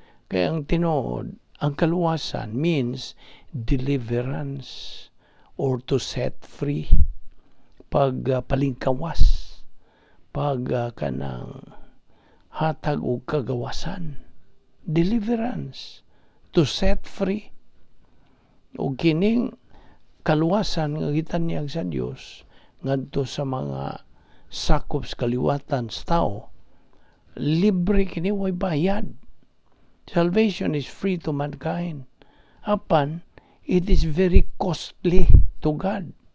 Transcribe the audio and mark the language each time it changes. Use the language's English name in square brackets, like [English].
[Cebuano] Kaya ang tinood, ang kaluwasan [English] means deliverance or to set free, [Cebuano] pagpalingkawas, pagkanang hatag o kagawasan. [English] Deliverance, to set free. [Cebuano] O kining kaluwasan nga gitanyag sa Dios ngadto sa mga sakop sa kaliwatan sa tao, libre kini way bayad. [English] Salvation is free to mankind. Apan, it is very costly to God.